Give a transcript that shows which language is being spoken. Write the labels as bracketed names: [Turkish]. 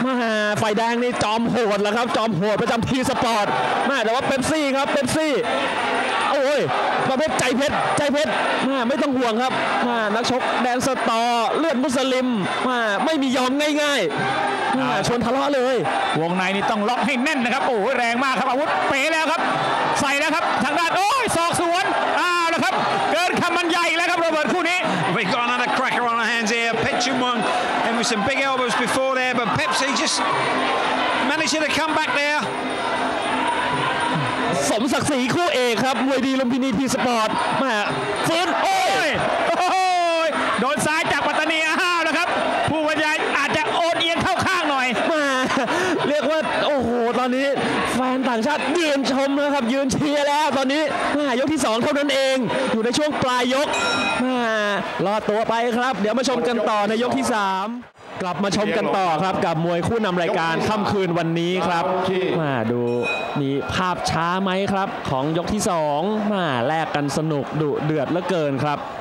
[Thai] มาไฟแดงนี่จอมโหดแล้วครับจอมโหดประจำทีสปอร์ตมาแต่ว่าเป๊ปซี่ครับเป๊ปซี่โอ้ยประเภทใจเพชรใจเพชรมาไม่ต้องห่วงครับมานักชกแดนสตอเลือดมุสลิมมาไม่มียอมง่ายๆมาชวนทะเลาะเลย วงในนี่ต้องล็อกให้แน่นนะครับโอ้ยแรงมากครับอาวุธเป๋แล้วครับใส่แล้วครับทางด้านโอ้ยศอกสวนอ้าวนะครับเกินคำบรรยายแล้วครับโรเบิร์ตคู่นี้ [English] We've got another cracker on our hands here Pechumong and with some big elbows before there but Pepsi just managed to come back there [Thai] สมศักดิ์ศรีคู่เอกครับมวยดีลุมพินีทีสปอร์ตมาฟื้นโอ้ย โอ้ยโดนซ้ายจากปัตตานีอ้าวนะครับผู้บรรยายอาจจะโอนเอียงเข้าข้างหน่อย มาเรียกว่าโอ้โหตอนนี้แฟนต่างชาติยืนชมนะครับยืนเชียร์แล้วตอนนี้มายกที่2เท่านั้นเองอยู่ในช่วงปลายยกมารอตัวไปครับเดี๋ยวมาชมกันต่อในยกที่3กลับมาชมกันต่อครับกับมวยคู่นำรายการค่ำคืนวันนี้ครับมาดูมีภาพช้าไหมครับของยกที่2มาแลกกันสนุกดุเดือดเหลือเกินครับ